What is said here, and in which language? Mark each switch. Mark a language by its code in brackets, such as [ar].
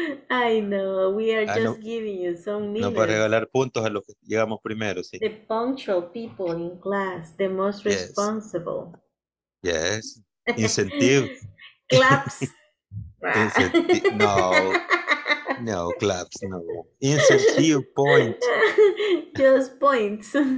[en] I know, we are just giving you some minutes. [es] No, para regalar puntos a los que llegamos primero, sí. [en] The punctual people in class, the most yes. responsible. Yes, incentive. Claps. No, no, claps, no. Incentive point. Just points.